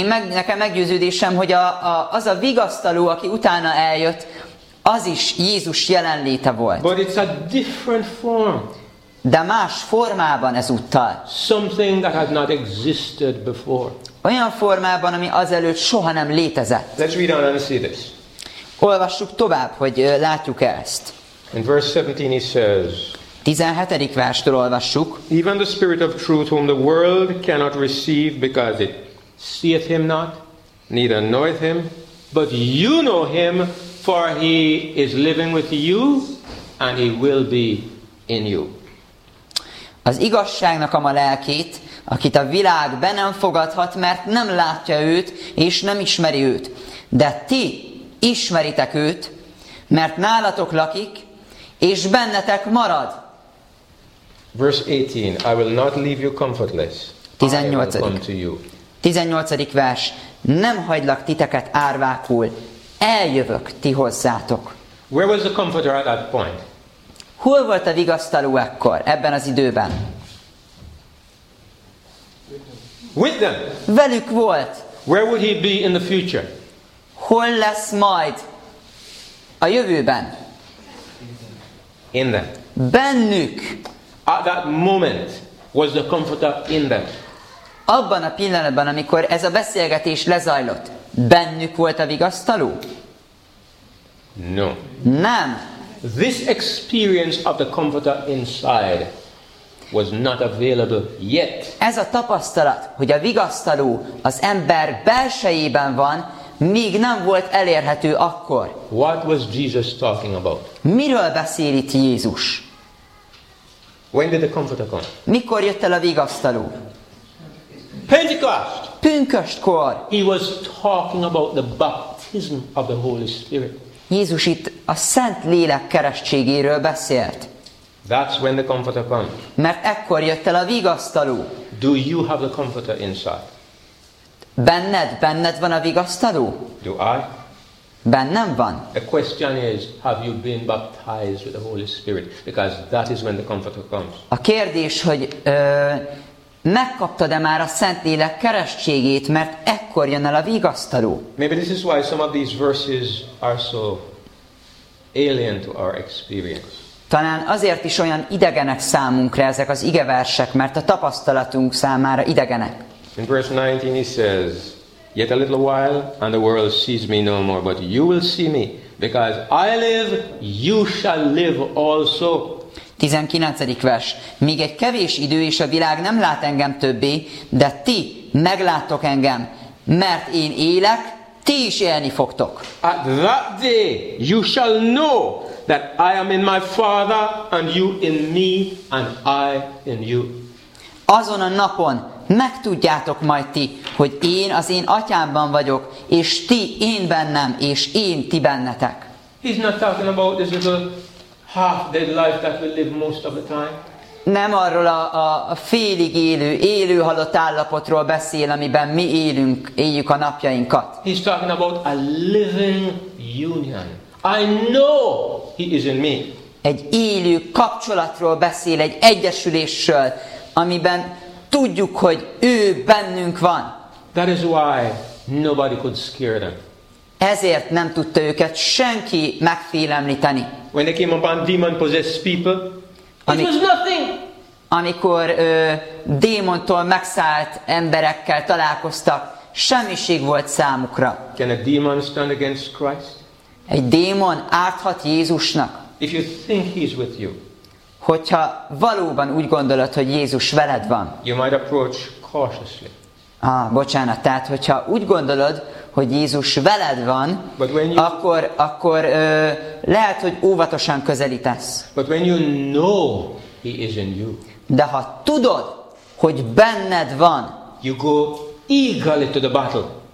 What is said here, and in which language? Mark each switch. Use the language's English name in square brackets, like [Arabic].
[Hungarian] Nekem meggyőződésem, hogy az a vigasztaló, aki utána eljött, az is Jézus jelenléte volt. [English] But it's a different form. [Hungarian] De más formában ezúttal. [English] Something that has not existed before. [Hungarian] Olyan formában, ami azelőtt soha nem létezett. [English] Let's read on and see this. [Hungarian] Olvassuk tovább, hogy látjuk ezt. [English] In verse 17 he says. [Hungarian] 17. verstől olvassuk. [English] Even the Spirit of Truth, whom the world cannot receive, because it seeth him not, neither knoweth him, but you know him, for he is living with you, and he will be in you. [Hungarian] Az igazságnak a lelkét, akit a világ be nem fogadhat, mert nem látja őt, és nem ismeri őt. De ti ismeritek őt, mert nálatok lakik, és bennetek marad. [English] Verse 18. I will not leave you comfortless. 18. I will come to you. 18. [Hungarian] vers. Nem hagylak titeket árvákul. Eljövök ti hozzátok. [English] Where was the comforter at that point? [Hungarian] Hol volt a vigasztaló ekkor, ebben az időben? [English] With them. [Hungarian] Velük volt. [English] Where would he be in the future? [Hungarian] Hol lesz majd a jövőben? [English] In them. [Hungarian] Bennük. [English] At that moment was the comforter in them. [Hungarian] Abban a pillanatban, amikor ez a beszélgetés lezajlott, bennük volt a vigasztaló? [English] No. [Hungarian] Nem. [English] This experience of the comforter inside was not available yet. [Hungarian] Ez a tapasztalat, hogy a vigasztaló az ember belsejében van, még nem volt elérhető akkor. [English] What was Jesus talking about? [Hungarian] Miről beszél itt Jézus? [English] When did the comforter come? [Hungarian] Mikor jött el a vigasztaló? [English] Pentecost. [Hungarian] Pünköstkor. [English] He was talking about the baptism of the Holy Spirit. [Hungarian] Jézus itt a Szent Lélek keresztségéről beszélt. [English] That's when the comforter comes. [Hungarian] Mert ekkor jött el a vigasztaló. [English] Do you have the comforter inside? [Hungarian] Benned van a vigasztaló? [English] Do I? [Hungarian] Bennem van. [English] The question is, have you been baptized with the Holy Spirit? Because that is when the comforter comes. [Hungarian] A kérdés, hogy megkaptad-e már a Szent Lélek keresztségét, mert ekkor jön el a vigasztaló. [English] Maybe this is why some of these verses are so alien to our experience. [Hungarian] Talán azért is olyan idegenek számunkra ezek az igeversek, mert a tapasztalatunk számára idegenek. [English] In verse 19 he says, yet a little while and the world sees me no more, but you will see me, because I live, you shall live also. [Hungarian] 19. vers. Még egy kevés idő, és a világ nem lát engem többé, de ti megláttok engem, mert én élek, ti is élni fogtok. [English] At that day you shall know that I am in my Father, and you in me, and I in you. [Hungarian] Azon a napon megtudjátok majd ti, hogy én az én atyámban vagyok, és ti én bennem, és én ti bennetek. [English] He's not talking about this little half-dead life that we live most of the time. [Hungarian] Nem arról a félig élő halott állapotról beszél, amiben mi élünk, éljük a napjainkat. [English] He's talking about a living union. I know he is in me. [Hungarian] Egy élő kapcsolatról beszél, egy egyesülésről, amiben tudjuk, hogy ő bennünk van. [English] That is why nobody could scare them. [Hungarian] Ezért nem tudta őket senki megfélemlíteni. [English] When they came upon demon-possessed people, it was nothing. [Hungarian] Amikor démontól megszállt emberekkel találkoztak, semmiség volt számukra. [English] Can a demon stand against Christ? [Hungarian] Egy démon árthat Jézusnak? [English] If you think he's with you, [Hungarian] hogyha valóban úgy gondolod, hogy Jézus veled van, [English] you might approach cautiously. [Hungarian] Bocsánat, tehát hogyha úgy gondolod, hogy Jézus veled van, akkor lehet, hogy óvatosan közelítesz. [English] But when you know he is in you, [Hungarian] de ha tudod, hogy benned van, [English] you go eagerly to the battle.